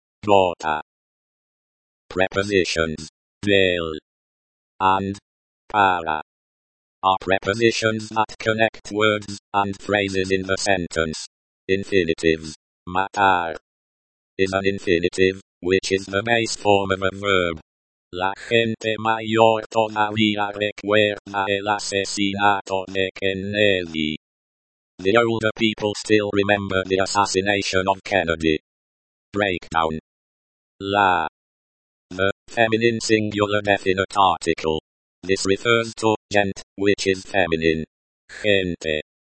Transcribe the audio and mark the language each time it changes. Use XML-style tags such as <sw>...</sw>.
<en>Bota. Prepositions. Del. And. Para. Are prepositions that connect words and phrases in the sentence. Infinitives. Matar. Is an infinitive, which is the base form of a verb.</en> <es>La gente mayor todavía recuerda el asesinato de Kennedy.</es> <en>The older people still remember the assassination of Kennedy. Breakdown. La. The feminine singular definite article. This refers to gent, which is feminine. Gente.</en>